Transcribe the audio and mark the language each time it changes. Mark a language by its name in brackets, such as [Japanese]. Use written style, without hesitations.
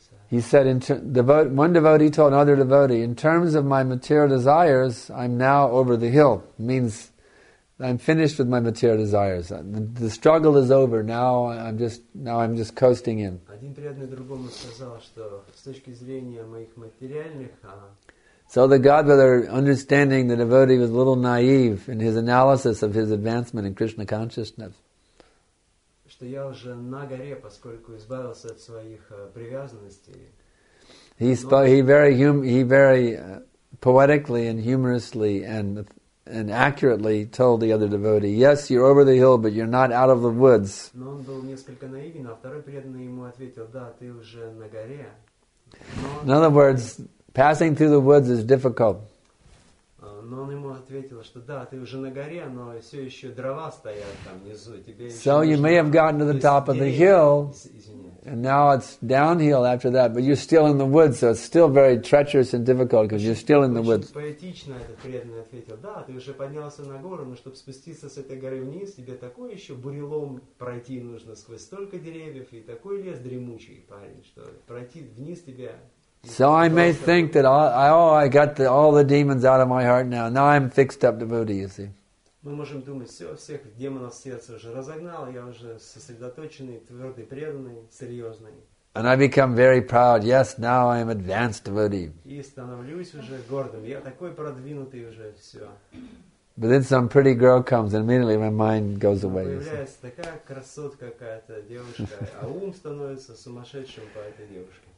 [English] He said, one devotee told another devotee, in terms of my material desires, I'm now over the hill. It means I'm finished with my material desires. The struggle is over. Now I'm just coasting in. [Russian] Один преданный другому сказал, что с точки зрения моих материальных... [English] So the godbrother, understanding the devotee was a little naive in his analysis of his advancement in Krishna consciousness, [Russian] что я уже на горе, поскольку избавился от своих привязанностей. [English] He very poetically and humorously and accurately told the other devotee, "Yes, you're over the hill, but you're not out of the woods." [Russian] Но он был несколько наивен, а второй преданный ему ответил, "Да, ты уже на горе." [English] In other words, passing through the woods is difficult. [Russian] Но он ему ответил, что да, ты уже на горе, но все еще дрова стоят там внизу. Тебе [English] so you [Russian] нужно... [English] may have gotten to the top of the hill, and now it's downhill after that, but you're still in the woods, so it's still very treacherous and difficult, because you're still in the woods. [Russian] Очень поэтично этот преданный ответил, да, ты уже поднялся на гору, но чтобы спуститься с этой горы вниз, тебе такой еще бурелом пройти нужно сквозь столько деревьев, и такой лес дремучий, парень, что пройти вниз тебе... [English] So I may think that I got all the demons out of my heart now. Now I'm fixed up to Buddha, you see. [Russian] Мы можем думать, все, всех демонов сердца уже разогнал, я уже сосредоточенный, твердый, преданный, серьезный. [English] And I become very proud. Yes, now I am advanced devotee. [Russian] И становлюсь уже гордым. Я такой продвинутый уже, все. [English] But then some pretty girl comes, and immediately my mind goes away. [Russian] Появляется такая красотка какая-то девушка, а ум становится сумасшедшим по этой девушке.